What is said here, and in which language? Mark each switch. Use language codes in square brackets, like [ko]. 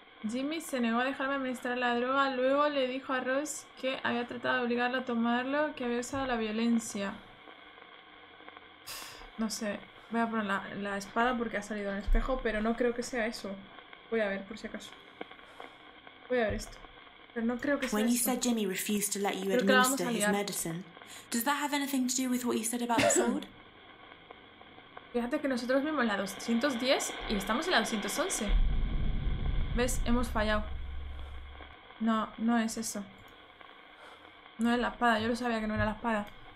[es] Jimmy se negó a dejarme administrar la droga. Luego le dijo a Ross que había tratado de obligarlo a tomarlo, que había usado la violencia. No sé. Voy a poner la espada porque ha salido en el espejo, pero no creo que sea eso. Voy a ver por si acaso. Voy a ver esto. Pero no creo que sea cuando esto. Cuando dijiste que [en] Jimmy refused to let you administer his medicine, does that have anything to do with what you said about the sword? [es] Fíjate que nosotros vimos la 210 y estamos en la 211. ¿Ves? Hemos fallado. No, no es eso. No es la espada. Yo lo sabía que no era la espada.